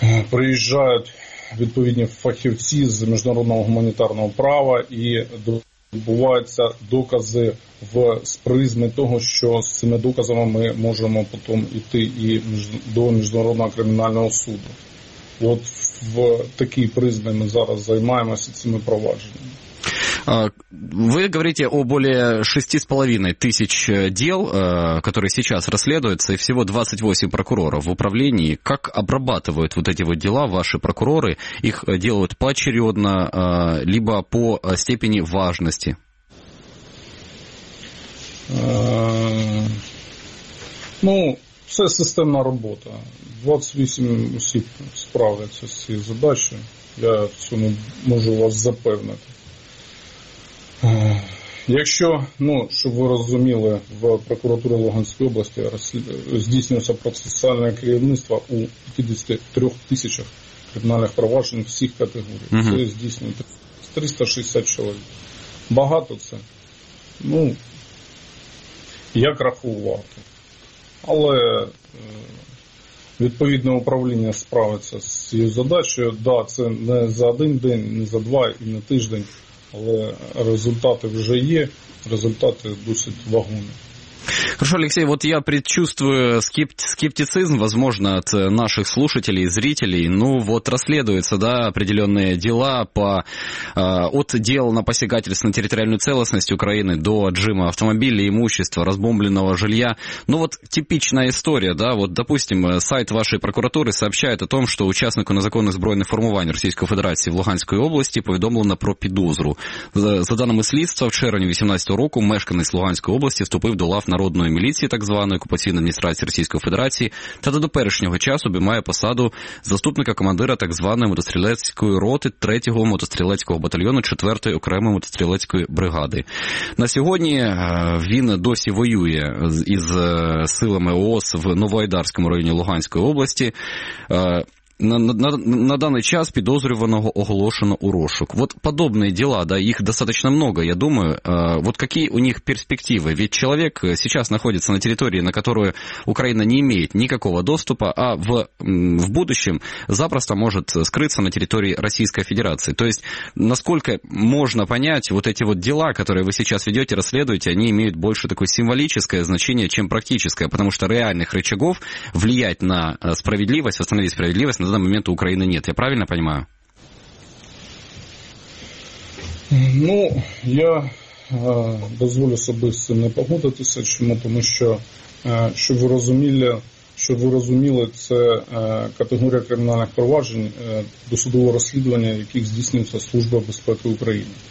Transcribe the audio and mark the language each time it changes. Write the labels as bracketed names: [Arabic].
[Ukrainian] Приїжджають відповідні фахівці з міжнародного гуманітарного права і добуваються докази в призми того, що з цими доказами ми можемо потім йти і до міжнародного кримінального суду. От в такій призмі ми зараз займаємося цими провадженнями. [Russian] Вы говорите о более 6500 дел, которые сейчас расследуются, и всего 28 прокуроров в управлении. Как обрабатывают вот эти вот дела ваши прокуроры? Их делают поочередно, либо по степени важности? Ну, это системная работа. [Ukrainian] 28 осіб [Russian] справляются с этой задачей. Я в этом могу вас запевнити. [Ukrainian] Якщо, ну, щоб ви розуміли, в прокуратурі Луганської області здійснюється процесуальне керівництво у 53 тисячах кримінальних проваджень всіх категорій. Це здійснює 360 чоловік. Багато це? Ну, як рахувати? Але відповідне управління справиться з цією задачею. Да, це не за один день, не за два і не тиждень. [Russian] Але результаты уже есть, результаты досить вагомые. Хорошо, Алексей, вот я предчувствую скептицизм, возможно, от наших слушателей, зрителей. Ну вот расследуются, да, определенные дела по, от дел на посягательство на территориальную целостность Украины до отжима автомобилей, имущества, разбомбленного жилья. Ну вот типичная история, да, вот допустим, сайт вашей прокуратуры сообщает о том, что участнику незаконных сбройных формувань Российской Федерации в Луганской области [Ukrainian] повідомлено про підозру. За даними слідства, в червні 2018 року мешканець Луганської області вступив до лав народної міліції, так званої окупаційної адміністрації Російської Федерації, та до теперішнього часу обіймає посаду заступника командира так званої мотострілецької роти 3-го мотострілецького батальйону 4-ї окремої мотострілецької бригади. На сьогодні він досі воює із силами ООС в Новоайдарському районі Луганської області. На даний час підозрюваного оголошено у розшук. [Russian] Вот подобные дела, да, их достаточно много, я думаю. Вот какие у них перспективы? Ведь человек сейчас находится на территории, на которую Украина не имеет никакого доступа, а в будущем запросто может скрыться на территории Российской Федерации. То есть, насколько можно понять, вот эти вот дела, которые вы сейчас ведете, расследуете, они имеют больше такое символическое значение, чем практическое, потому что реальных рычагов влиять на справедливость, восстановить справедливость на данный момент у Украины нет. Я правильно понимаю? [Ukrainian] Ну, я дозволю собі з цим не погодитися. Чому? Тому що, щоб ви розуміли, це категорія кримінальних проваджень, досудового розслідування, яких здійснюється Служба безпеки України.